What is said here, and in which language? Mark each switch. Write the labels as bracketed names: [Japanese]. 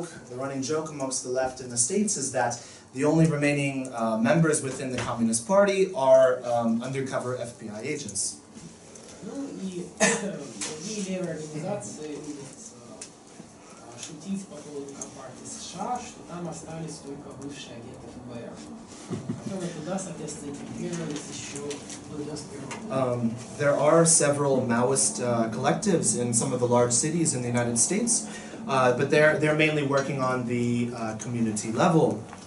[English] The running joke amongst the left in the States is that the only remaining members within the Communist Party are undercover FBI agents. [Russian] Ну и другие левые организации любят шутить по поводу компартии США, что там остались только бывшие агенты ФБР, которые туда, соответственно, интегрировались еще в 91 году. [English] There are several Maoist collectives in some of the large cities in the United States, but they're mainly working on the community level.